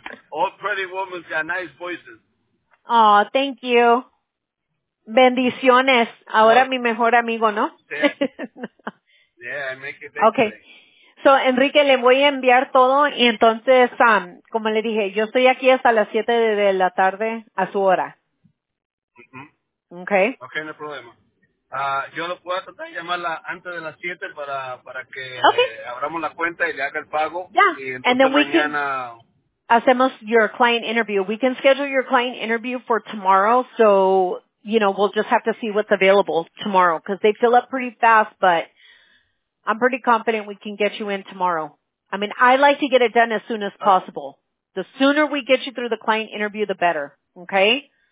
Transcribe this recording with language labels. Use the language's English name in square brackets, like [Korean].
[English] All pretty women got nice voices. Oh, thank you. [Spanish] Bendiciones. Ahora mi mejor amigo, ¿no? [English] Yeah, I make it. Okay. Day. [Spanish] So, Enrique, le voy a enviar todo y entonces, como le dije, yo estoy aquí hasta las 7 de la tarde a su hora. Mm-hmm. [English] Okay. [Spanish] Okay, no hay problema. Yo lo puedo tratar de llamarla antes de las 7 para que abramos la cuenta y le haga el pago. [English] Yeah, [Spanish] y entonces [English] and then [Spanish] mañana... [English] we can... [Spanish] hacemos [English] your client interview. We can schedule your client interview for tomorrow, so, you know, we'll just have to see what's available tomorrow because they fill up pretty fast, but I'm pretty confident we can get you in tomorrow. I mean, I like to get it done as soon as possible. The sooner we get you through the client interview, the better, okay?